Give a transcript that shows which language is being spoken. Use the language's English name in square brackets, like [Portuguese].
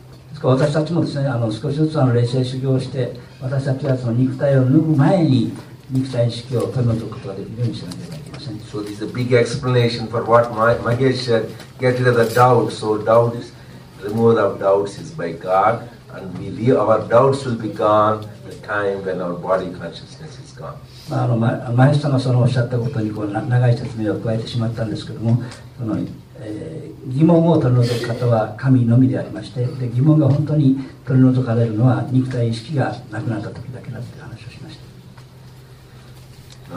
[Japanese] ですから私たちもですね、少しずつ霊性修行をして、私たちはその肉体を脱ぐ前に肉体意識を取り除くことができるようにしなければいけません。 [English] So this is a big explanation for what Mahesh said, get rid of the doubt. So doubt is remove our doubts is by God, and we leave, our doubts will be gone the time when our body consciousness is gone. [Japanese] まあ、マエストがそのおっしゃったことにこう長い説明を加えてしまったんですけども、その、疑問を取り除く方は神のみでありまして、で疑問が本当に取り除かれるのは肉体意識がなくなった時だけだという話をしました。